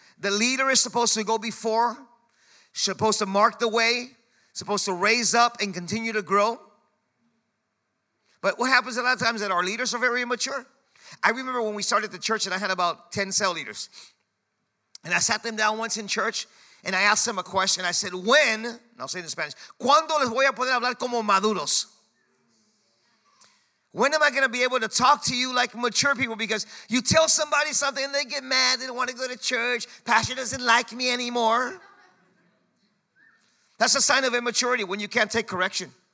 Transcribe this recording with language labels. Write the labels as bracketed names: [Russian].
[English] The leader is supposed to go before, supposed to mark the way, supposed to raise up and continue to grow. But what happens a lot of times is that our leaders are very immature. I remember when we started the church and I had about 10 cell leaders. And I sat them down once in church and I asked them a question. I said, I'll say it in Spanish, [Spanish] ¿cuándo les voy a poder hablar como maduros? [English] When am I going to be able to talk to you like mature people? Because you tell somebody something and they get mad. They don't want to go to church. Pastor doesn't like me anymore. That's a sign of immaturity when you can't take correction.